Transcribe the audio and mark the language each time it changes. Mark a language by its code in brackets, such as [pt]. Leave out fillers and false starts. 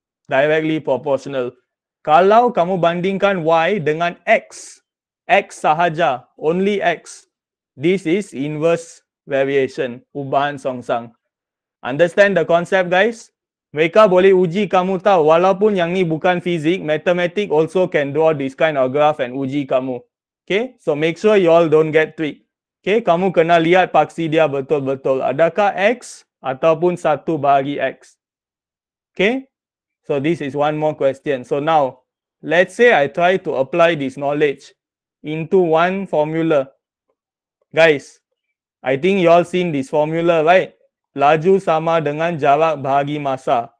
[en] Directly proportional. [ms] Kalau kamu bandingkan Y dengan X, X sahaja, [en] only X, this is inverse variation, [ms] ubahan songsang. [en] Understand the concept, guys? [ms] Mereka boleh uji kamu tahu, walaupun yang ni bukan fizik, [en] mathematics also can draw this kind of graph and [ms] uji kamu. [en] Okay? So make sure you all don't get tricked. [ms] Okay? Kamu kena lihat paksi dia betul-betul. Adakah X ataupun 1 bahagi X? [en] Okay? So this is one more question. So now, let's say I try to apply this knowledge into one formula. Guys, I think you all seen this formula, right? [ms] Laju sama dengan jarak bahagi masa.